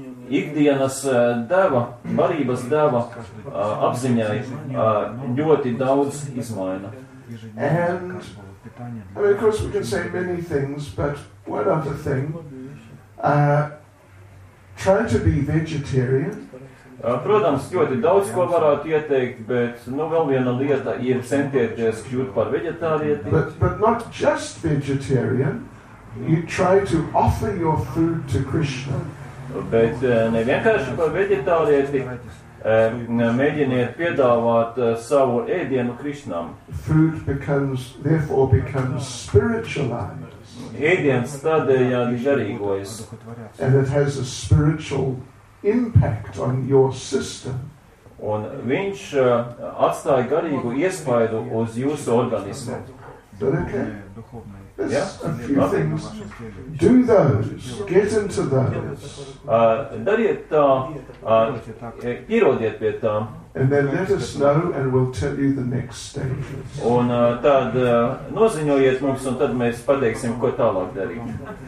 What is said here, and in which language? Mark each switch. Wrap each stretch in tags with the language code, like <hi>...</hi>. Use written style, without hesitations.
<lv>Ikdienas deva, barības deva apziņai ļoti daudz izmaina.</lv> <en>And, I mean, of course, we can say many things, but one other thing, try to be vegetarian.</en> <lv>Protams, ļoti daudz ko varētu ieteikt, bet nu vēl viena lieta ir centieties kļūt par vegetārieti.</lv> <en>But not just vegetarian. You try to offer your food to Krishna.</en> <lv>Bet ne vienkārši par vegetārieti, mēģiniet piedāvāt savu ēdienu Krišnam.</lv> <en>Food becomes, therefore becomes spiritualized.</en> <lv>Ēdiens tādējādi žarīgojas.</lv> <en>And it has a spiritual impact on your system.</en> <lv>Un viņš atstāja garīgu iespaidu uz jūsu organismu.</lv> <en>Okay. Yeah. A few things. Do those. Get into those.</en> <lv>Dariet tā. Ierodiet pie tā.</lv> <en>And then let us know and we'll tell you the next stages.</en> <lv>Un tad noziņojiet mums un tad mēs pateiksim, ko tālāk darīt.</lv>